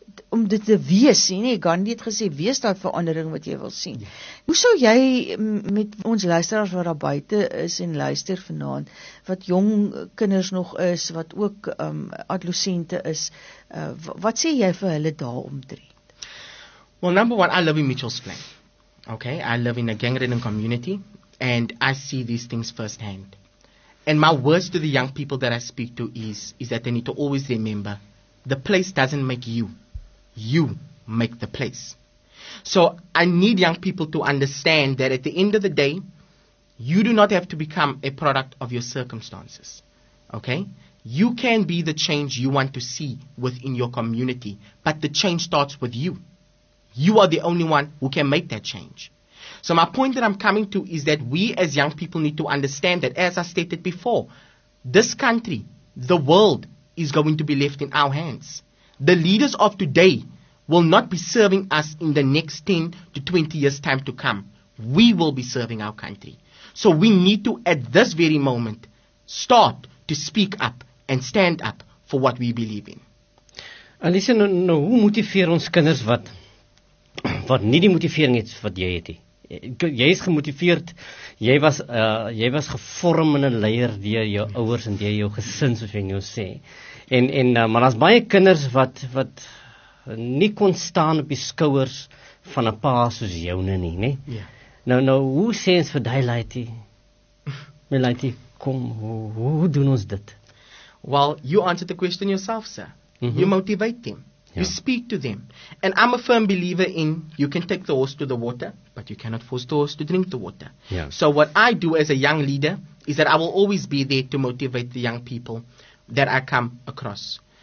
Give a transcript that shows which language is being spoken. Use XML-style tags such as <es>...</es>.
<af>om dit te wees, sien nie, Gandhi het gesê, wees daar verandering wat jy wil sien. Ja. Hoe sou jy met ons luisteraars wat daar buite is en luister vanaand, wat jong kinders nog is, wat ook adolescente is, wat sê jy vir hulle daar omtrent?</af> <en>Well, number one, I live in Mitchell's Plain. Okay, I live in a gang-ridden community, and I see these things firsthand. And my words to the young people that I speak to is that they need to always remember, the place doesn't make you. You make the place. So I need young people to understand that at the end of the day, you do not have to become a product of your circumstances. Okay? You can be the change you want to see within your community, but the change starts with you. You are the only one who can make that change. So my point that I'm coming to is that we as young people need to understand that, as I stated before, this country, the world, is going to be left in our hands. The leaders of today will not be serving us in the next 10 to 20 years time to come. We will be serving our country. So we need to, at this very moment, start to speak up and stand up for what we believe in. And listen, now,</en> <af>hoe motiveer ons kinders wat nie die motivering het wat jy het nie? Jy is gemotiveerd, jy was gevorm in 'n leier deur jou ouers en deur jou gesin, soos jy nou sê. Maar daar's baie kinders wat nie kon staan op die skouers van 'n pa soos joune nie, nê? Ja. Nou, hoe sê ons vir die laaitie? My laaitie, kom, hoe doen ons dit?</af> <en>Well, you answer the question yourself, sir. Mm-hmm. You motivate them. You speak to them. And I'm a firm believer in, you can take the horse to the water, but you cannot force the horse to drink the water. Yeah. So what I do as a young leader is that I will always be there to motivate the young people that I come across.</en>